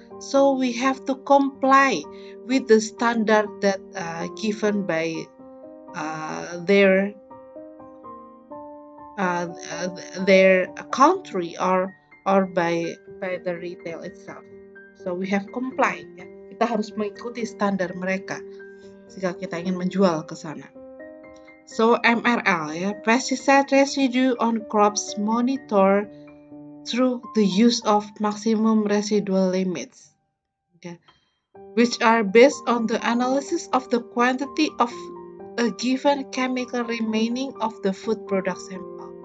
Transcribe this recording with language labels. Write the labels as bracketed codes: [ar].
[en] So we have to comply with the standard that given by their country or by the retail itself. So we have comply. Ya. [id] Kita harus mengikuti standar mereka jika kita ingin menjual ke sana. [en] So MRL, ya, pesticide residue on crops monitor through the use of maximum residual limits, okay, which are based on the analysis of the quantity of a given chemical remaining of the food product sample.